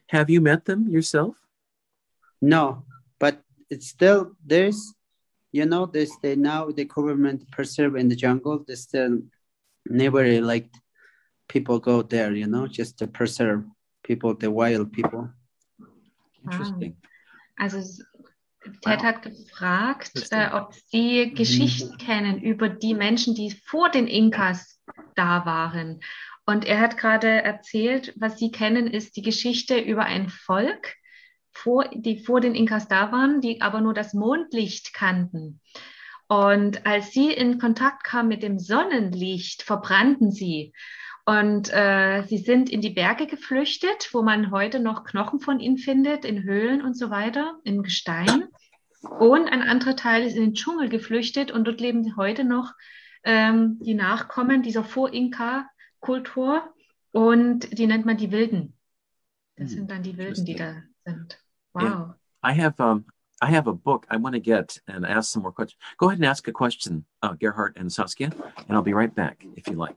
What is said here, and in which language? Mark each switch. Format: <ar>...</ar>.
<en>Have you met them yourself? No, but it's still, there's, you know, now the government preserve in the jungle, there's still never like people go there, you know, just to preserve people, the wild people. Interesting.</en> <de>Also, Ted hat gefragt, ob sie Geschichten kennen über die Menschen, die vor den Inkas da waren. Und er hat gerade erzählt, was sie kennen, ist die Geschichte über ein Volk, die vor den Inkas da waren, die aber nur das Mondlicht kannten. Und als sie in Kontakt kamen mit dem Sonnenlicht, verbrannten sie. Und sie sind in die Berge geflüchtet, wo man heute noch Knochen von ihnen findet, in Höhlen und so weiter, im Gestein. Und ein anderer Teil ist in den Dschungel geflüchtet und dort leben heute noch die Nachkommen dieser Vor-Inka-Kultur. Und die nennt man die Wilden. Das sind dann die Wilden, die da sind. Wow.</de> <en>Yeah. I have a book I want to get and ask some more questions. Go ahead and ask a question, Gerhard and Saskia, and I'll be right back if you like.</en>